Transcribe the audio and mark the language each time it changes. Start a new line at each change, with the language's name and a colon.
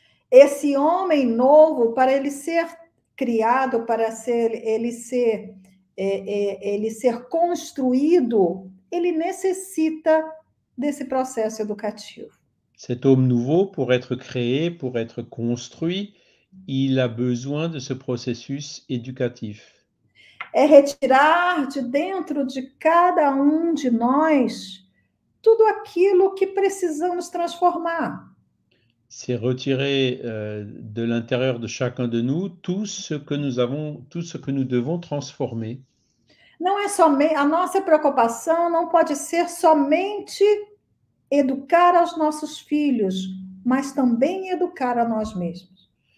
Portuguese: Esse homem novo, para ele ser criado, para ser ele ser ele ser construído, ele necessita desse processo educativo.
French: Cet homme nouveau, pour être créé, pour être construit, il a besoin de ce processus éducatif.
Portuguese: É retirar de dentro de cada um de nós tudo aquilo que precisamos transformar.
French: C'est retirer de l'intérieur de chacun de nous tout ce que nous avons, tout ce que nous devons transformer.
Portuguese: Não é somente a nossa preocupação não pode ser somente educar aos nossos filhos, mas também educar a nós mesmos.